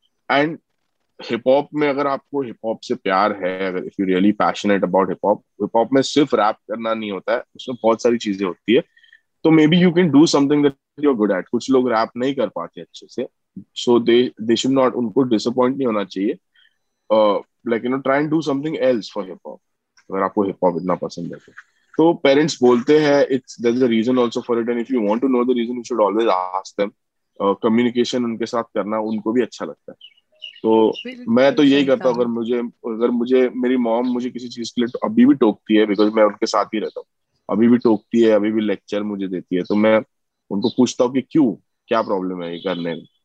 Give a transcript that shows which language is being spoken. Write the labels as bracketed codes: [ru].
[hi] And hip hop में अगर आपको हिप हॉप से प्यार है, अगर [en] if you really passionate about hip hop, [hi] hip hop में सिर्फ रैप करना नहीं होता है, उसमें बहुत सारी चीजें होती है. तो [en] Maybe you can do something that you are good at. [hi] कुछ लोग रैप नहीं कर पाते अच्छे से, [en] so they should not, [hi] उनको डिसअपॉइंट नहीं होना चाहिए. [en] Like, you know, try and do something else for hip-hop. [hi] अगर आपको hip-hop इतना पसंद है तो parents बोलते हैं, [en] it's there's a reason also for it, and if you want to know the reason, you should always ask them. [hi] Communication उनके साथ करना उनको भी अच्छा लगता है. तो मैं तो यही करता हूँ. अगर मुझे मेरी मॉम मुझे किसी चीज के लिए अभी भी टोकती है, बिकॉज मैं उनके साथ ही रहता हूँ, अभी भी टोकती है, अभी भी लेक्चर मुझे देती है, तो मैं उनको पूछता हूँ कि क्यों, क्या प्रॉब्लम है ये करने में.